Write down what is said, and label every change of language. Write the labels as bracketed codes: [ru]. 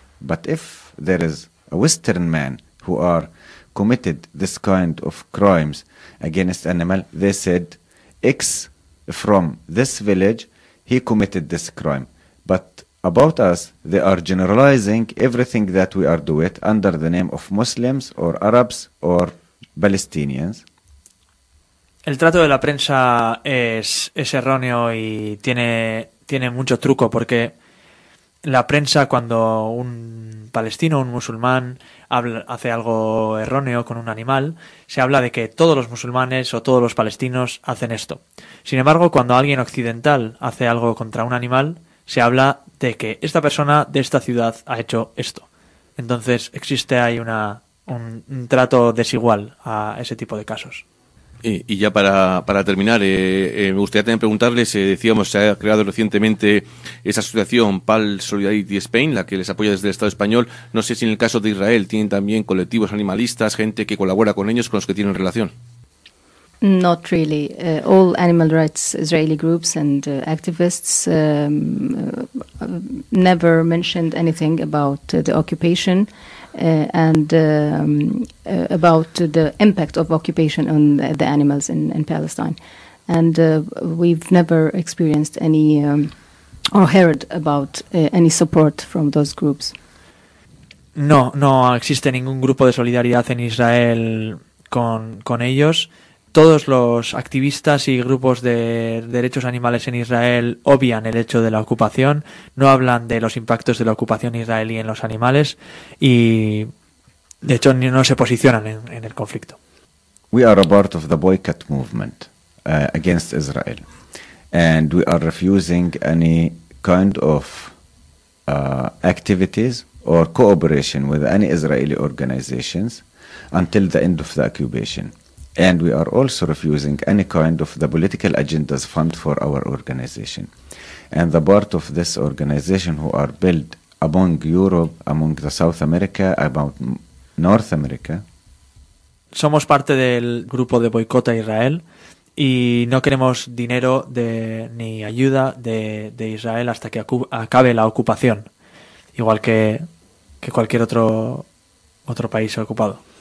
[en] But if there is a Western man who are committed this kind of crimes against animal, they said X from this village, he committed this crime. But about us, they are generalizing everything that we are doing under the name of Muslims or Arabs or Palestinians. [es] El trato de la prensa es erróneo y tiene mucho truco, porque la prensa, cuando un palestino, un musulmán, hace algo erróneo con un animal, se habla de que todos los musulmanes o todos los palestinos hacen esto. Sin embargo, cuando alguien occidental hace algo contra un animal, se habla de que esta persona de esta ciudad ha hecho esto. Entonces, existe ahí un trato desigual a ese tipo de casos. Y ya para terminar, me gustaría también preguntarles, decíamos, se ha creado recientemente esa asociación PAL Solidarity Spain, la que les apoya desde el Estado español. No sé si en el caso de Israel tienen también colectivos animalistas, gente que colabora con ellos, con los que tienen relación. [en] Not really. All animal rights Israeli groups and activists never mentioned anything about the occupation and about the impact of occupation on the animals in Palestine. And we've never experienced any or heard about any support from those groups. [es] No, no existe ningún grupo de solidaridad en Israel con ellos. Todos los activistas y grupos de derechos animales en Israel obvian el hecho de la ocupación, no hablan de los impactos de la ocupación israelí en los animales y, de hecho, no se posicionan en el conflicto. [en] We are a part of the boycott movement against Israel, and we are refusing any kind of activities or cooperation with any Israeli organizations until the end of the occupation. And we are also refusing any kind of the political agendas fund for our organization. And the part of this organization who are built among Europe, among the South America, about North America. [es] Somos parte del grupo de boicota Israel y no queremos dinero de, ni ayuda de Israel hasta que acabe la ocupación, igual que cualquier otro país ocupado.